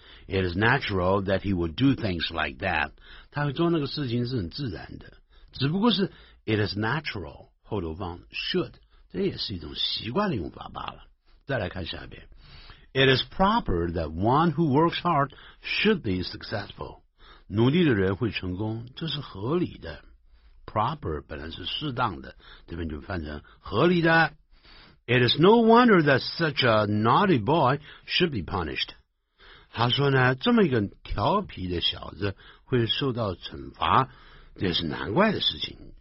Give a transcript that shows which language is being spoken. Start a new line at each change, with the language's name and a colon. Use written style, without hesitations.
English: It is natural that he would do things like that.
Chinese: 他会做那个事情是很自然的。只不过是 it is natural, 后头放 should, 这也是一种习惯的用法罢了。再来看下边。
English: It is proper that one who works hard should be successful.
Chinese: 努力的人会成功，这是合理的。 Proper 本来是适当的，这边就翻成合理的。
English: It is no wonder that such a naughty boy should be punished.
Chinese: 他说呢，这么一个调皮的小子会受到惩罚，这是难怪的事情。